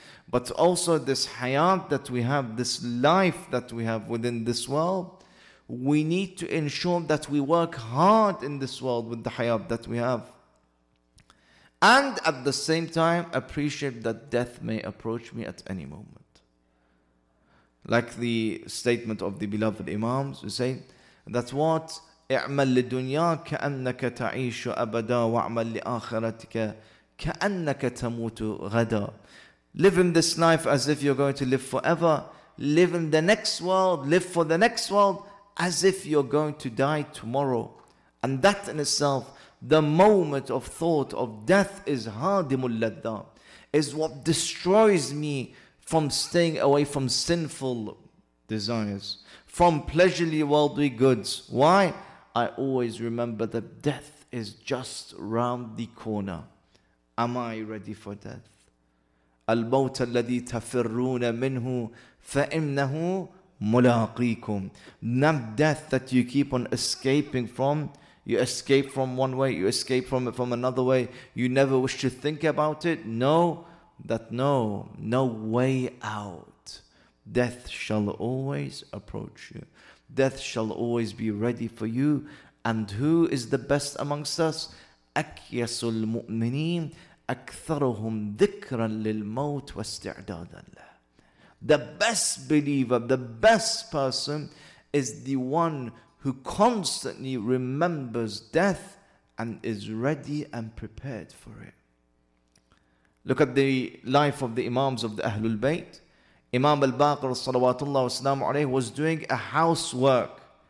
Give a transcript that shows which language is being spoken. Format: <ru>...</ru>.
<en>But also this hayat that we have, this life that we have within this world, we need to ensure that we work hard in this world with the hayat that we have. And at the same time, appreciate that death may approach me at any moment. Like the statement of the beloved Imams, who say that what?</en> <ar>اعمل لدنيا كأنك تعيش أبدا وعمل لآخرتك كأنك تموت غدا.</ar> <en>Live in this life as if you're going to live forever. Live in the next world, live for the next world as if you're going to die tomorrow. And that in itself, the moment of thought of death, is</en> <ar>هادم اللذة,</ar> <en>is what destroys me from staying away from sinful desires, from pleasurely worldly goods. Why? I always remember that death is just round the corner. Am I ready for death?</en> <ar>الموت الذي تفرون منه فإنه ملاقيكم.</ar> <en>Not death that you keep on escaping from. You escape from one way, you escape from it from another way. You never wish to think about it. No. That no way out. Death shall always approach you. Death shall always be ready for you. And who is the best amongst us?</en> <ar>Akyasul mu'mineen, أكثرهم ذكرا للموت واستعدادا له.</ar> <en>The best believer, the best person is the one who constantly remembers death and is ready and prepared for it. Look at the life of the Imams of the Ahlul Bayt. Imam al-Baqir salawatullah wa salam alayhi was doing a housework.</en>